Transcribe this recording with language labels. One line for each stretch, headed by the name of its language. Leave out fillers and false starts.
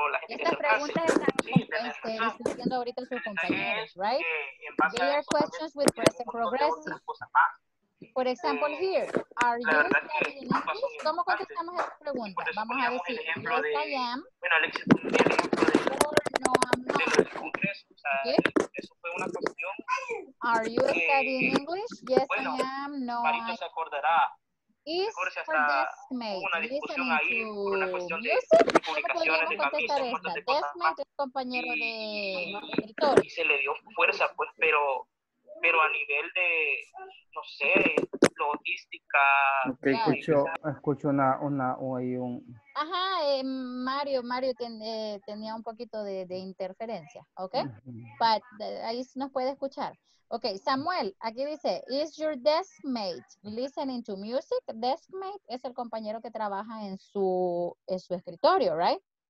Spanish: Estas preguntas están discutiendo ahorita sus compañeros, right?
English: They are questions with present progressive. For example, here, are you studying in English?
Spanish: ¿Cómo contestamos esta pregunta? Vamos a decir,
English: yes, I am. No, I'm not. Okay. Are you studying English? Yes, I am. No, I am. Is her deskmate listening to music?
Spanish: ¿Cómo podríamos contestar esta? Deskmate es compañero de escritorio. Y se le dio fuerza, pues, pero a nivel de, no sé, logística. Ok, yeah. escucho una o hay un... Ajá, Mario tenía un poquito de interferencia, ¿ok? Ahí nos puede escuchar. Ok, Samuel, aquí dice,
English: is your deskmate listening to music?
Spanish: Deskmate es el compañero que trabaja en su escritorio, right?